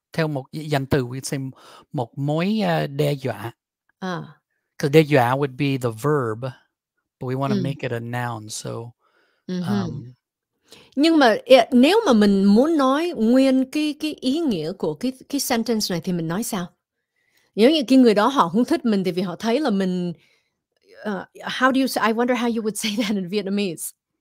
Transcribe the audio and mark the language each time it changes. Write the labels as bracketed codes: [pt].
[vi] Theo một danh từ, [en] we'd say [vi] một mối đe dọa. [en] Because đe dọa would be the verb, but we want to make it a noun. So, [vi] nhưng mà nếu mà mình muốn nói nguyên cái ý nghĩa của cái sentence này thì mình nói sao? Nếu như cái người đó họ không thích mình thì vì họ thấy là mình. [en] How do you say? I wonder how you would say that in Vietnamese.